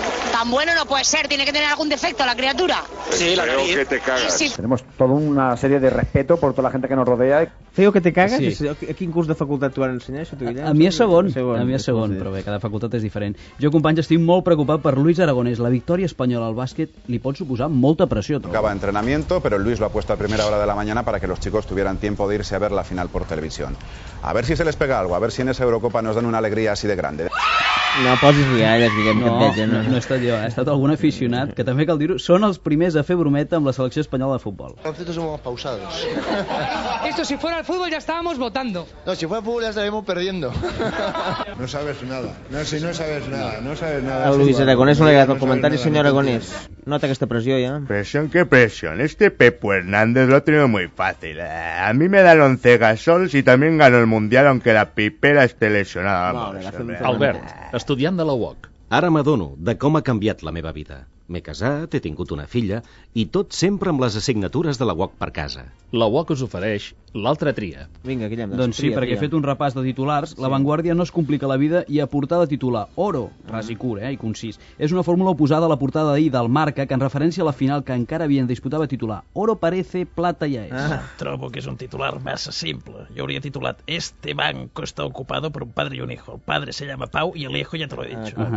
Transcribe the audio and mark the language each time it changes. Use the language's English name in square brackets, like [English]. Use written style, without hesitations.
[Spanish] Tan bueno no puede ser, tiene que tener algún defecto la criatura. Sí, la creo que te cagas. Sí. Tenemos toda una serie de respeto por toda la gente que nos rodea. Feo que te cagas, sí. [Catalan] A quin curs de facultat t'ho van ensenyar? Això, tu, a mi és segon, a mi és segon, però bé, cada facultat és diferent. Jo, companys, estic molt preocupat per Luis Aragonés. La victòria espanyola al bàsquet li pot suposar molta pressió. Troba. [Spanish] Acaba entrenamiento, pero Luis lo ha puesto a primera hora de la mañana para que los chicos tuvieran tiempo de irse a ver la final por televisión. A ver si se les pega algo, a ver si en esa Eurocopa nos dan una alegría así de grande. [Catalan] No posis rialles, diguem, que et veig. No he estat jo, ha estat algun aficionat, que també cal dir-ho, són els primers a fer brometa amb la selecció espanyola de futbol. [Spanish] Estos somos pausados. Esto si fuera el fútbol ya estábamos votando. No, si fuera el fútbol ya estaríamos perdiendo. No sabes nada. No, si no sabes nada, no sabes nada. [Catalan] El Luis Aragonés, un legat al comentari, senyor Aragonés. Nota aquesta pressió, ja. [Spanish] Presión, qué presión. Este Pepo Hernández lo ha tenido muy fácil. A mí me da el 11 gasols y también gano el Mundial, aunque la pipera esté lesionada. [Catalan] Albert, estudiant de la UOC. Ara m'adono de com ha canviat la meva vida. M'he casat, he tingut una filla, i tot sempre amb les assignatures de la UOC per casa. La UOC us ofereix l'altra tria. Vinga, Guillem, doncs sí, perquè he fet un repàs de titulars. Sí. La Vanguardia no es complica la vida i a portada titula Oro, ras i curt, i concís. És una fórmula oposada a la portada d'ahir del Marca, que en referència a la final que encara havien disputat va titular [Spanish] Oro parece, plata ya es. [Catalan] Trobo que és un titular massa simple. Jo hauria titulat [Spanish] Este banco está ocupado por un padre y un hijo. El padre se llama Pau y el hijo ya te lo he dicho.